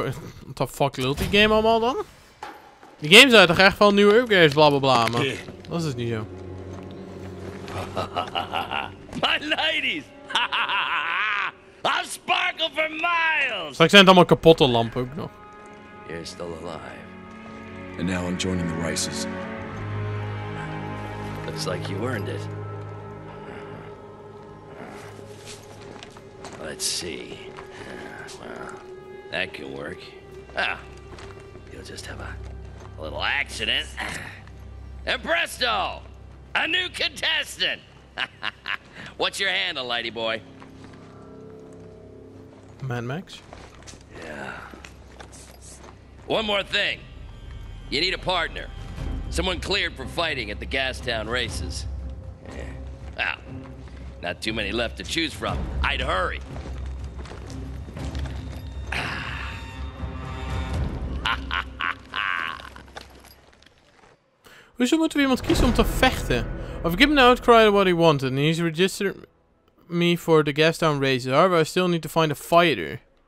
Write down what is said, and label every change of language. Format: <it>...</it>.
<en>What the fuck</en> <nl>lult die game allemaal dan? Die game zijn toch echt wel nieuwe upgrades, blablabla, maar... Dat is dus niet zo.</nl> <en>My ladies! I'll sparkle for miles!</en> <nl>Straks zijn het allemaal kapotte lampen ook nog.</nl> <en>You're still alive. And now I'm joining the Rices. Looks like you earned it. Let's see. Well, that can work. Ah, you'll just have a little accident. And presto! A new contestant! What's your handle, lady boy? Mad Max? Yeah. One more thing. You need a partner. Someone cleared for fighting at the Gastown races. Yeah. Well, not too many left to choose from. I'd hurry.</en> <nl>Hoezo moeten we iemand kiezen om te vechten?</nl> <en>I've given outcry to what he wanted, and he's registered me for the Gastown races. However, I still need to find a fighter.</en>